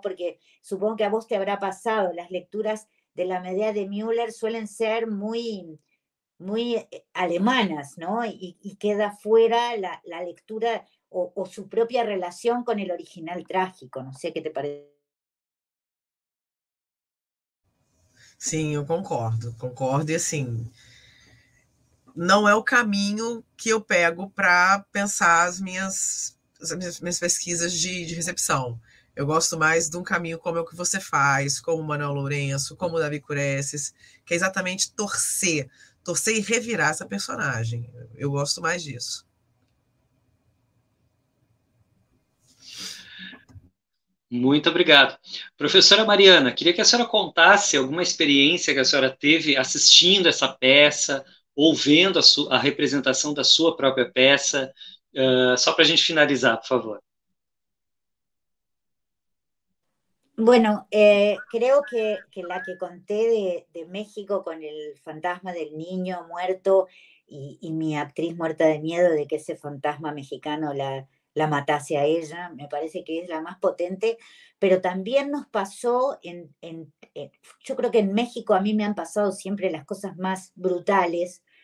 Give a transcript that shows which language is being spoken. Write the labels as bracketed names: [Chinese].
[Spanish] Porque supongo que a vos te habrá pasado, las lecturas de la Medea de Müller suelen ser muy alemanas, ¿no? Y queda fuera la lectura o su propia relación con el original trágico, no sé qué te parece. [Portuguese] Sim, eu concordo, concordo. E assim, não é o caminho que eu pego para pensar as minhas pesquisas de recepção. Eu gosto mais de um caminho como é o que você faz, como o Manuel Lourenço, como o Davi Curesses, que é exatamente torcer e revirar essa personagem. Eu gosto mais disso. Muito obrigado. Professora Mariana, queria que a senhora contasse alguma experiência que a senhora teve assistindo essa peça, ou vendo a representação da sua própria peça, só para a gente finalizar, por favor. [Spanish] Bueno, creo que la que conté de México con el fantasma del niño muerto y mi actriz muerta de miedo de que ese fantasma mexicano la matase a ella, me parece que es la más potente, pero también nos pasó, yo creo que en México a mí me han pasado siempre las cosas más brutales,